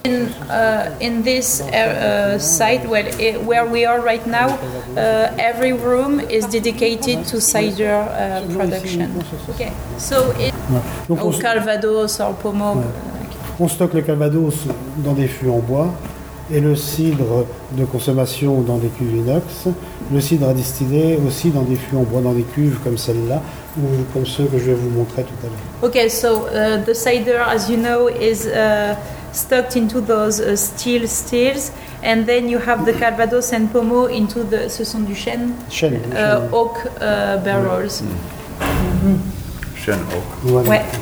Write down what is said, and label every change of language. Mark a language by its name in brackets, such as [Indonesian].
[English] In this site where we are right now, every room is dedicated to cider production. Okay, so it's Calvados or Pomo. Ouais. [French] On stocke le Calvados dans des fûts en bois et le cidre de consommation dans des cuves inox. Le cidre à distiller aussi dans des fûts en bois, dans des cuves comme celle-là. Comme ceux que je vais vous montrer tout à l'heure. [English] Okay, so the cider, as you know, is stocked into those steel stills, and then you have the Calvados and Pomo into the, [French] ce sont du chêne. Chêne. [English] Oak barrels. Chêne oak. [French] Voilà. Ouais.